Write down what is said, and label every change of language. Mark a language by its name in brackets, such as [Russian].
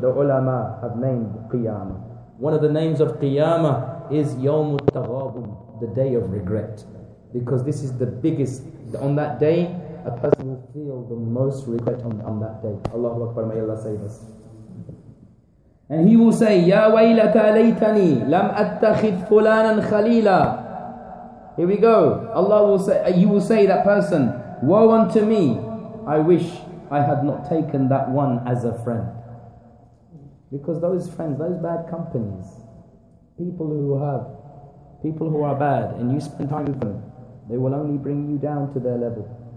[English] The ulama have named Qiyamah. One of the names of Qiyamah is يَوْمُ التَّغَابُن, the Day of Regret. Because this is the biggest, on that day, a person will feel the most regret on that day. Allahu Akbar, may Allah save us. And he will say, [Arabic] يَا وَيْلَتَ لَيْتَنِي لَمْ أَتَّخِذْ فُلَانًا خَلِيلًا. [English] Here we go. Allah will say, you will say that person, woe unto me, I wish I had not taken that one as a friend. Because those friends, those bad companies, people who are bad and you spend time with them, they will only bring you down to their level.